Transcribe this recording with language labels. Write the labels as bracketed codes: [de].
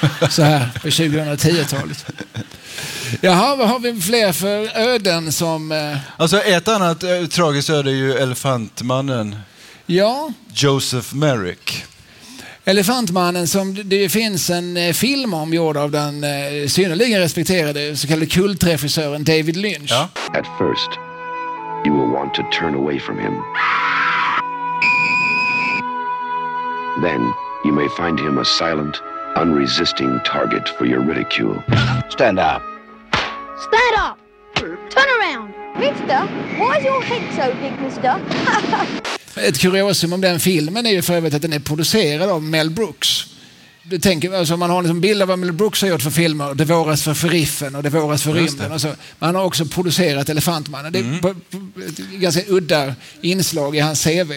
[sv] Så här på 2010-talet. Jaha, vad har vi fler för öden som... Alltså ett annat tragiskt öde är ju elefantmannen. Ja. Joseph Merrick. Elefantmannen som det finns en film om gjord av den synnerligen respekterade så kallade kultregissören David Lynch. Ja. [en] At first, you will want to turn away from him. Then, you may find him a silent, unresisting target for your ridicule. Stand up. Stand up! Turn around! Mister, why is your head so big, mister? [sv] Ett kuriosum om den filmen är ju för övrigt att den är producerad av Mel Brooks. Du tänker, alltså man har en liksom bild av vad Mel Brooks har gjort för filmer. Det våras för Riffen och Det våras för rymden. Och så. Man har också producerat Elefantmannen. Det är ett ganska udda inslag i hans CV.